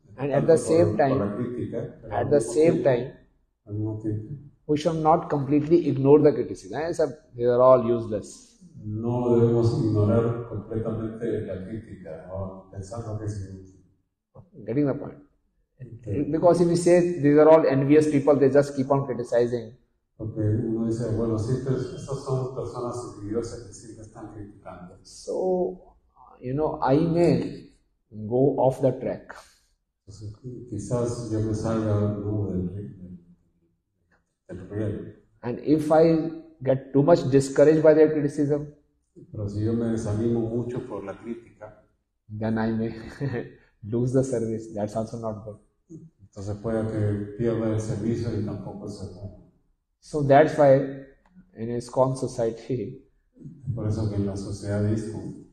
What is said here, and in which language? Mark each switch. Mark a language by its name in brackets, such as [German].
[English] And at the same time, we should not completely ignore the criticism. They are all useless. [Spanish] No debemos ignorar completamente la crítica o pensando que es inútil. [English] Getting the point. Because if you say these are all envious people, they just keep on criticizing. [Spanish] Porque uno dice, bueno, sí, estas son personas envidiosas que siempre están criticando. [English] So, you know, I may go off the track. [Spanish] Quizás yo me salga del [English] And if I get too much discouraged by their criticism, [Spanish] pero si yo me desanimo mucho por la crítica, [English] then I may lose the service. That's also not good. [Spanish] Entonces puede que pierda el servicio y tampoco es bueno. [English] So that's why in ISKCON society, [Spanish] por eso que en la sociedad de ISKCON,